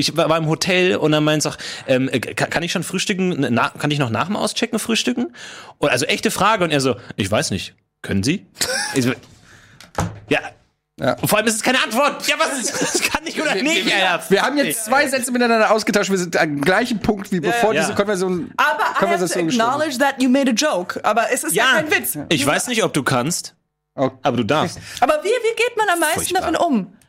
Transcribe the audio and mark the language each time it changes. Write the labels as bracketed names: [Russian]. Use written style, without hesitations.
[German] Ich war im Hotel und dann meinst du auch, kann ich schon frühstücken, kann ich noch nach dem Auschecken frühstücken? Und also echte Frage und er so, ich weiß nicht, können Sie? So, ja. Ja. Und vor allem ist es keine Antwort. Ja, was ist das? Kann ich oder nicht? Wir haben jetzt zwei Sätze miteinander ausgetauscht. Wir sind am gleichen Punkt wie bevor diese Konversation. Aber Konversation [English] I have to acknowledge that you made a joke. [German] Aber es ist ja kein Witz. Ich weiß nicht, ob du kannst, aber du darfst. Aber wie geht man am meisten davon um?